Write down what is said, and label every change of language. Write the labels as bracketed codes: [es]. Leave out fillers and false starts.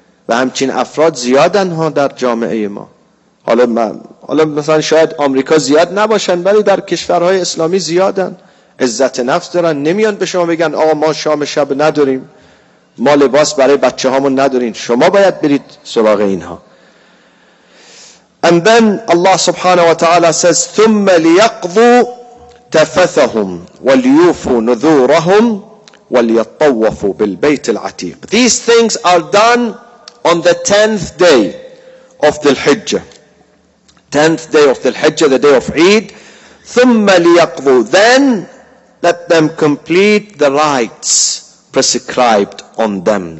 [fa] و همچین افراد زیادن ها در جامعه ما. حالا مثلا شاید آمریکا زیاد نباشن، ولی در کشورهای اسلامی زیادن، عزت نفس دارن، نمیان به شما بگن آقا ما شام شب نداریم، ما لباس برای بچه هامون نداریم، شما باید برید سراغ اینها. [en] And then Allah subhanahu wa ta'ala says [ar] ثم ليقضوا تفثهم وليوفوا نذورهم وليطوفوا بالبيت العتيق. [en] These things are done on the 10th day of the Hijjah. 10th day of the Hijjah, the day of Eid. [ar] ثم ليقضوا. [en] Then let them complete the rites prescribed on them.